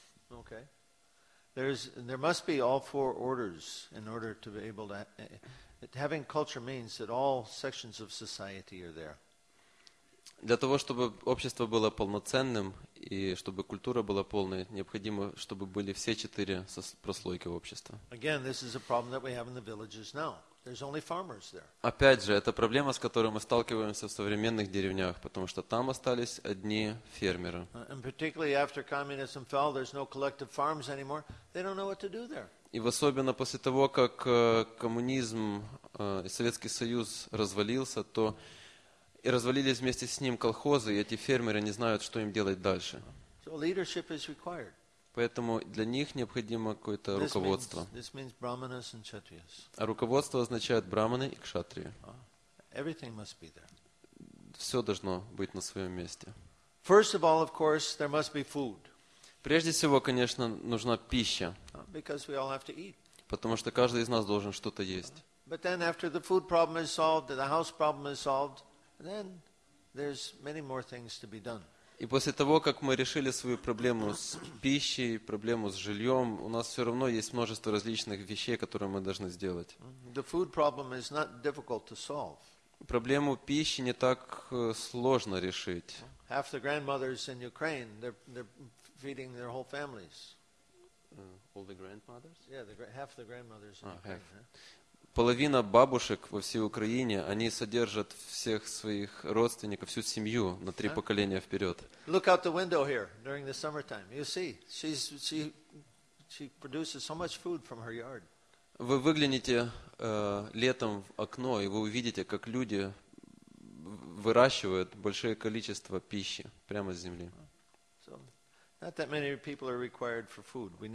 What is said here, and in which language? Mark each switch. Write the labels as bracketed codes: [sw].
[en] Okay. There must be all four orders in order to be able to having culture means that all sections of society are there. [ru] Для того, чтобы общество было полноценным и чтобы культура была полной, необходимо, чтобы были все четыре прослойки общества. [en] Again, this is a problem that we have in the villages now. There's only farmers there. [ru] Опять же, это проблема, с которой мы сталкиваемся в современных деревнях, потому что там остались одни фермеры. [en] And particularly after communism fell, there's no collective farms anymore. They don't know what to do there. [ru] И особенно после того, как коммунизм и Советский Союз развалился, то и развалились вместе с ним колхозы, и эти фермеры не знают, что им делать дальше. [en] So leadership is required. [ru] Поэтому для них необходимо какое-то руководство. [en] This means brahmanas and kshatriyas. [ru] А руководство означает брахманы и кшатрии. [en] Everything must be there. [ru] Все должно быть на своем месте. [en] First of all, of course, there must be food. [ru] Прежде всего, конечно, нужна пища. [en] Because we all have to eat. [ru] Потому что каждый из нас должен что-то есть. [en] But then after the food problem is solved, the house problem is solved, then there's many more things to be done. [ru] И после того, как мы решили свою проблему с пищей, проблему с жильем, у нас все равно есть множество различных вещей, которые мы должны сделать. [en] The food problem is not difficult to solve. [ru] Проблему пищи не так сложно решить. [en] Half the grandmothers in Ukraine, they're feeding their whole families. All the grandmothers? Yeah, half the grandmothers in Ukraine. [ru] Половина бабушек во всей Украине, они содержат всех своих родственников, всю семью на три поколения вперед. [en] Look out the window here during the summertime. You see, she produces so much food from her yard. [ru] Вы выгляните летом в окно, и вы увидите, как люди выращивают большое количество пищи прямо с земли. [en] So, not that many people are required for food.